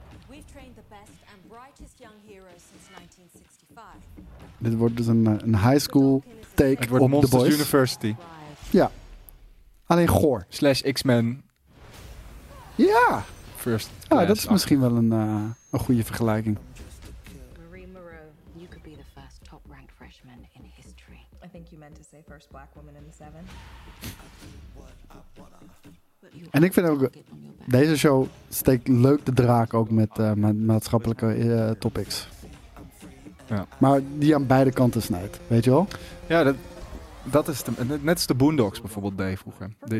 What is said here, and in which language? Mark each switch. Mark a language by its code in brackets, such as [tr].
[en] We've trained the best and brightest young heroes since 1965. [nl] Dit wordt dus een high school take op The Boys. Het wordt University. Ja. Alleen goor. / X-Men. Ja. [en] First. [nl] Ja, dat is misschien wel een goede vergelijking. [en] Marie Moreau, you could be the first top ranked freshman in history. I think you meant to say first black woman in the 7. [nl] En ik vind ook, deze show steekt leuk de draak ook met maatschappelijke topics. Ja. Maar die aan beide kanten snijdt, weet je wel? Ja, dat is net als de Boondocks bijvoorbeeld deed vroeger.